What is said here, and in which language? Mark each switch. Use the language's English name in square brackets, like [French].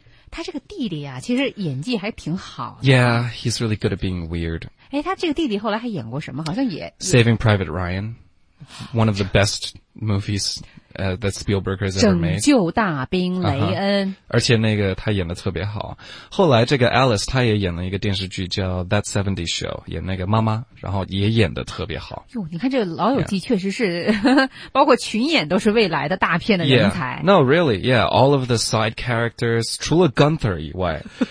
[Chinese] 他这个弟弟啊，其实演技还挺好的。 [English] Yeah, he's really good at being weird. [Chinese] 哎，他这个弟弟后来还演过什么？好像也 [English] Saving Private Ryan, one of the best movies that Spielberg has ever made. [Chinese] 拯救大兵雷恩。 Uh-huh. 而且那个他演的特别好。后来这个 Alice 他也演了一个电视剧叫 That 70's Show, 演那个妈妈，然后也演的特别好。哟，你看这老友记确实是、 [English] yeah. [Chinese] 包括群演都是未来的大片的人才。 [English] Yeah. No, really, yeah, all of the side characters, [Chinese] 除了 Gunther 以外。